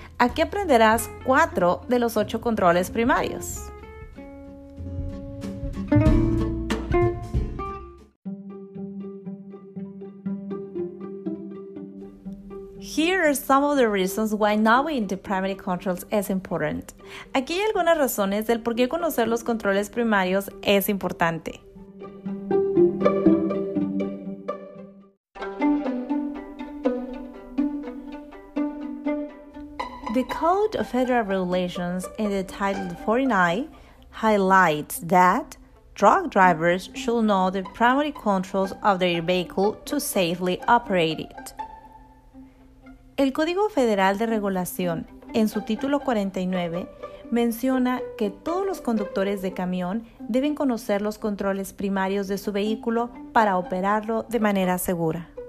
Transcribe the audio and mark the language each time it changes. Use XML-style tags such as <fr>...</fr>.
<es>Aquí aprenderás 4 de los 8 controles primarios.</es> <en>Here are some of the reasons why knowing the primary controls is important.</en> <es>Aquí hay algunas razones del por qué conocer los controles primarios es importante.</es> <en>The Code of Federal Regulations in the Title 49 highlights that truck drivers should know the primary controls of their vehicle to safely operate it.</en> <es>El Código Federal de Regulación, en su título 49, menciona que todos los conductores de camión deben conocer los controles primarios de su vehículo para operarlo de manera segura.</es>